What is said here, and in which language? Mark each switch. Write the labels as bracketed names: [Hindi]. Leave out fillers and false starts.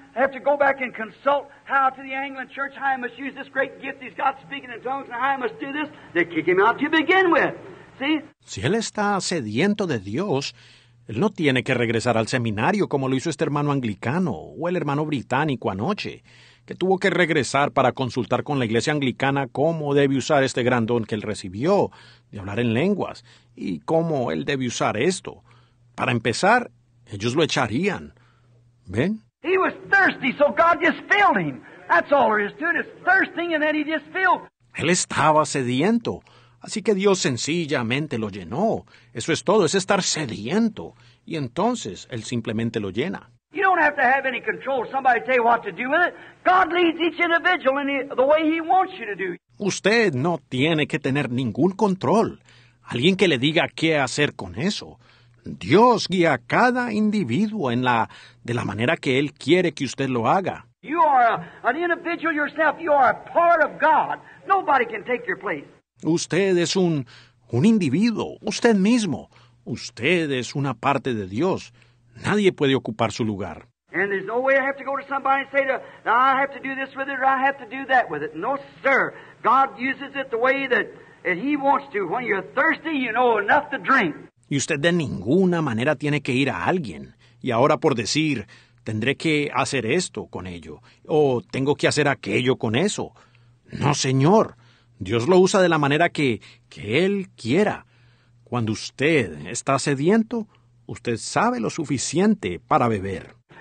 [English] Have to go back and consult how to the Anglican church, how I must use this great gift he's got speaking in tongues, and how I must do this. They kick him out to begin with. [Spanish] Si él está sediento de Dios, él no tiene que regresar al seminario como lo hizo este hermano anglicano o el hermano británico anoche, que tuvo que regresar para consultar con la iglesia anglicana cómo debe usar este gran don que él recibió de hablar en lenguas y cómo él debe usar esto. Para empezar, ellos lo echarían. ¿Ven? [English] He was thirsty, so God just filled him. That's all there is to it. It's thirsting and then he just filled. [Spanish] Él estaba sediento. Así que Dios sencillamente lo llenó. Eso es todo, es estar sediento. Y entonces, Él simplemente lo llena. [English] You don't have to have any control. Somebody tell you what to do with it. God leads each individual in the way He wants you to do. [Spanish] Usted no tiene que tener ningún control. Alguien que le diga qué hacer con eso. Dios guía a cada individuo en la, de la manera que Él quiere que usted lo haga. [English] You are an individual yourself. You are a part of God. Nobody can take your place. [Spanish] Usted es un individuo, usted mismo. Usted es una parte de Dios. Nadie puede ocupar su lugar. [English] And there's no way I have to go to somebody and say, now I have to do this with it, or I have to do that with it. No, sir. God uses it the way that He wants to. When you're thirsty, you know enough to drink. [Spanish] Y usted de ninguna manera tiene que ir a alguien. Y ahora por decir, tendré que hacer esto con ello, o tengo que hacer aquello con eso. No, señor. Dios lo usa de la manera que Él quiera. Cuando usted está sediento, usted sabe lo suficiente para beber.